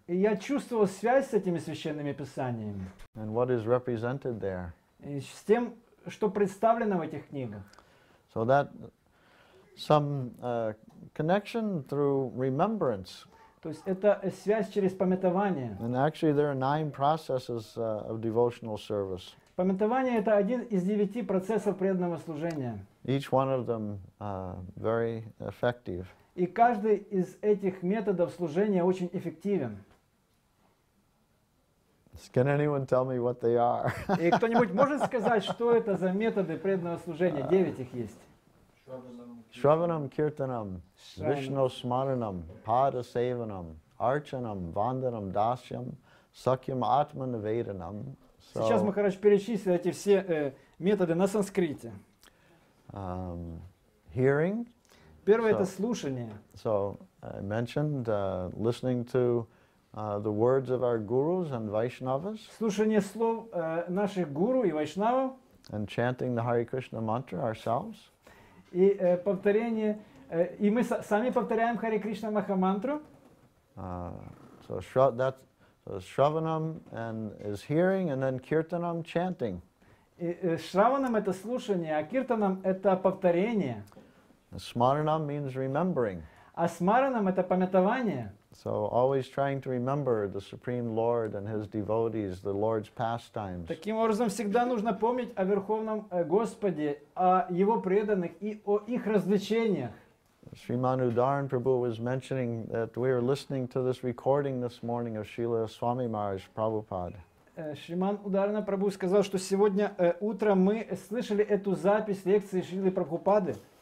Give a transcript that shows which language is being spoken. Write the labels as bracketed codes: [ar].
[ru] И я чувствовал связь с этими священными писаниями. [en] And what is represented there? [ru] И с тем, что представлено в этих книгах. [en] So that some connection through remembrance. [ru] То есть это связь через памятование. [en] And actually, there are 9 processes of devotional service. [ru] Памятование — это один из 9 процессов преданного служения. [en] Each one of them very effective. [ru] И каждый из этих методов служения очень эффективен. [en] Can anyone tell me what they are? [ru] И кто-нибудь может сказать, что это за методы преданного служения? 9 их есть. [sa] Шраванам, киртанам, вишну смаранам, пада севанам, арчанам, ванданам, дасьям, сакьям атманаведанам. [ru] Сейчас Махарадж перечислил эти все методы на санскрите. [en] Hearing. [ru] Первое — это слушание. [en] So I mentioned listening to the words of our gurus and Vaishnavas. [ru] Слушание слов наших гуру и вайшнава. [en] And chanting the Hare Krishna mantra ourselves. [ru] И повторение, и мы сами повторяем Hare Krishna Maha mantra. [en] So Shravanam and is hearing, and then Kirtanam chanting. [ru] Shravanam — это слушание, а Kirtanam — это повторение. [en] Smaranam means remembering. [ru] А Smaranam — это памятование. [en] So always trying to remember the Supreme Lord and His devotees, the Lord's pastimes. [ru] Таким образом, всегда нужно помнить о Верховном Господе, о Его преданных и о их развлечениях. [en] Sriman Udaran Prabhu was mentioning that we are listening to this recording this morning of Srila Swami Maharaj Prabhupada. [ru] Шриман Ударана Прабху сказал, что сегодня утром мы слышали эту запись лекции Шрилы Прабхупады.